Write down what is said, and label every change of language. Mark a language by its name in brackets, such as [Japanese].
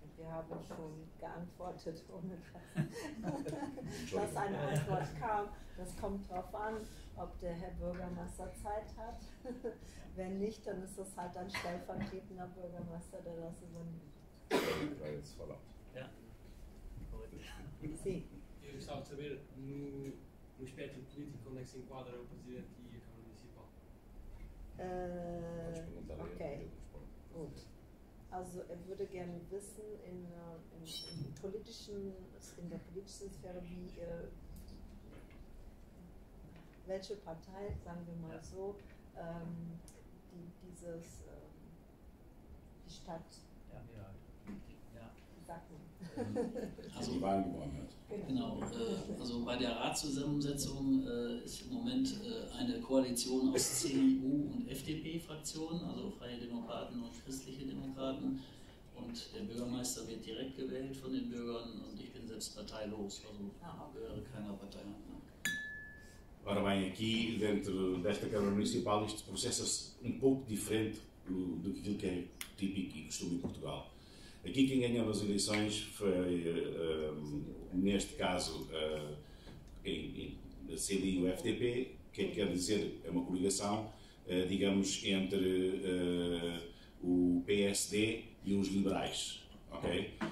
[German] Wir haben schon geantwortet, ohne dass eine Antwort kam. Das kommt darauf an, ob der Herr Bürgermeister Zeit hat. Wenn nicht, dann ist das halt ein stellvertretender Bürgermeister, der das übernimmt. Das war jetzt voll auf. Ja. [Portuguese] Sim. Eu gostava de saber, no espectro político, onde é que se enquadra o Presidente e a Câmara Municipal? [German] Ok. Gut. Also er würde gerne wissen, in der politischen Sphäre, wie welche Partei, sagen wir mal so, die Stadt, wie sagt man? Also, die Wahlen gewonnen hat. Genau, also bei der Ratszusammensetzung ist im Moment eine Koalition aus CDU und FDP-Fraktionen, also Freie Demokraten und Christliche Demokraten. Und der Bürgermeister wird direkt gewählt von den Bürgern und ich bin selbst parteilos, also gehöre keiner Partei an. [Portuguese] Ora bem, aqui dentro desta Câmara Municipal, este processo é um pouco diferente do que aquilo que é típico e costume em Portugal. Aqui quem ganhou as eleições foi, neste caso, a CDI e o FDP, que quer dizer, é uma coligação, digamos, entre o PSD e os liberais. Okay?